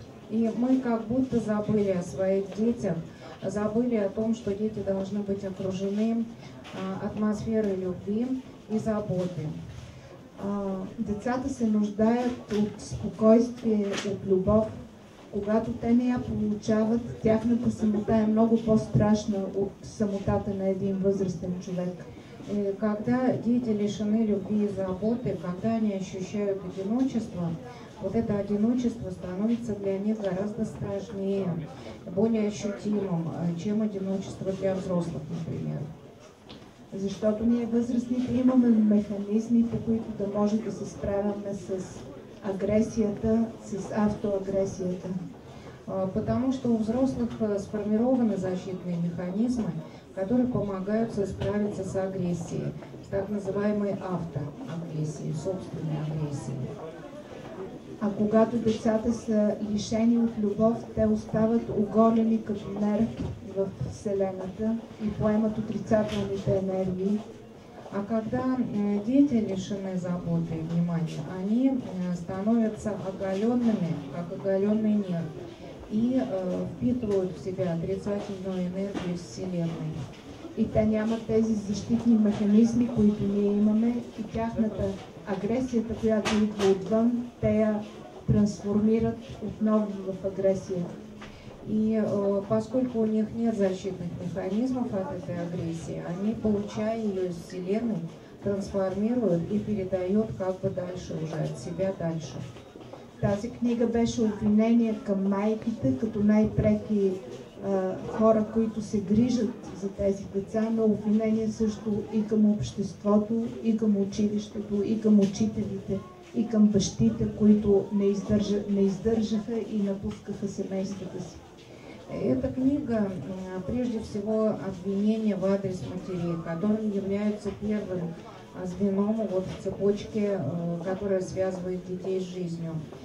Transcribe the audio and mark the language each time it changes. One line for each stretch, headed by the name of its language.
Russian: И мы как будто забыли о своих детях, забыли о том, что дети должны быть окружены атмосферой любви и заботы.
Bulgarian: Децата се нуждаят от спокойствие, от любов. Когато те не я получават, тяхната самота е много по-страшна от самотата на един възрастен човек.
Russian: И когда дети лишены любви и заботы, когда они ощущают одиночество, вот это одиночество становится для них гораздо страшнее, более ощутимым, чем одиночество для взрослых, например.
Bulgarian: Защото ние възрастните имаме механизми, по които да можем да се справяме с агресията, с автоагресията.
Russian: Потому что у взрослых сформированы защитные механизмы, которые помогают справиться с агрессией, с так называемой автоагрессией, собственной агрессией.
Bulgarian: А когато децата са лишени от любов, те остават оголени като нерв в Вселената и поемат отрицателните енергии.
Russian: А когда дети лишены заботы и внимания, они становятся оголенными, как оголенный нерв, и впитывают в себя отрицательную энергию Вселенной.
Bulgarian: И те нямат тези защитни механизми, които ние имаме, и тяхната агресията, която идва отвън, те я трансформират отново в агресия.
Russian: И поскольку у них нет защитных механизмов от этой агрессии, они, получая ее из Вселенной, трансформируют и передают как бы дальше уже от себя дальше.
Bulgarian: Тази книга беше обвинение към майките, като най-преки хора, които се грижат за тези деца, но обвинение също и към обществото, и към училището, и към учителите, и към бащите, които не издържаха и напускаха семействата си.
Russian: Эта книга прежде всего обвинение в адрес матерей, которые являются первым звеном вот в цепочке, которая связывает детей с жизнью.